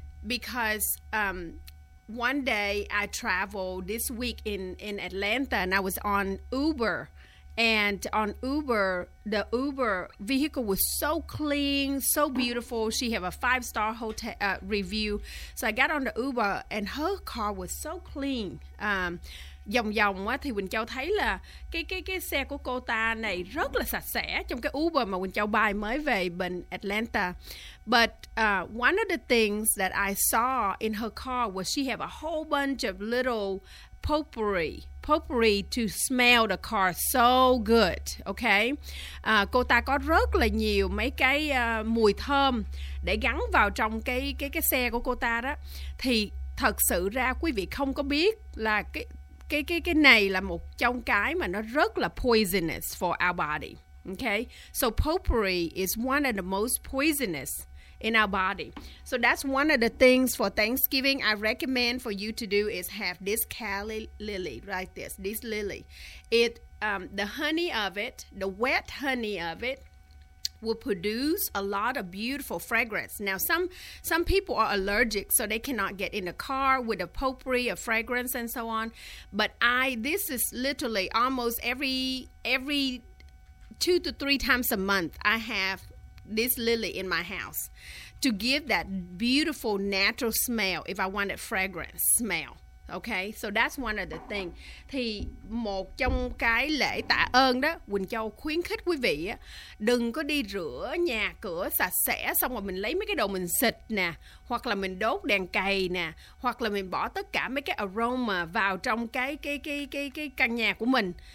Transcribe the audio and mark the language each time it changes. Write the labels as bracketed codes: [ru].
[en] Because one day I traveled this week in Atlanta and I was on Uber. And on Uber, the Uber vehicle was so clean, so beautiful. She had a 5-star hotel review. So I got on the Uber and her car was so clean. [vi] Dòng dòng á, thì Quỳnh Châu thấy là cái xe của cô ta này rất là sạch sẽ trong cái Uber mà Quỳnh Châu bay mới về bên Atlanta. [en] But one of the things that I saw in her car was she have a whole bunch of little potpourri to smell the car so good, okay? [vi] Cô ta có rất là nhiều mấy cái mùi thơm để gắn vào trong cái xe của cô ta đó. Thì thật sự ra quý vị không có biết là cái này là một trong cái mà nó rất là [en] poisonous for our body. Okay, so potpourri is one of the most poisonous in our body. So that's one of the things for Thanksgiving I recommend for you to do is have this calla lily, right? This lily. It the honey of it, the wet honey of it, will produce a lot of beautiful fragrance. Now, some people are allergic, so they cannot get in the car with a potpourri, a fragrance, and so on. But this is literally almost every 2 to 3 times a month, I have this lily in my house to give that beautiful natural smell if I wanted fragrance smell. Okay, so that's one of the things. [vi] Thì một trong cái lễ tạ ơn đó, Quỳnh Châu khuyến khích quý vị á, đừng có đi rửa nhà cửa sạch sẽ xong rồi mình lấy mấy cái đồ mình xịt nè, hoặc là mình đốt đèn cầy nè, hoặc là mình bỏ tất cả mấy cái aroma vào trong cái căn nhà của mình.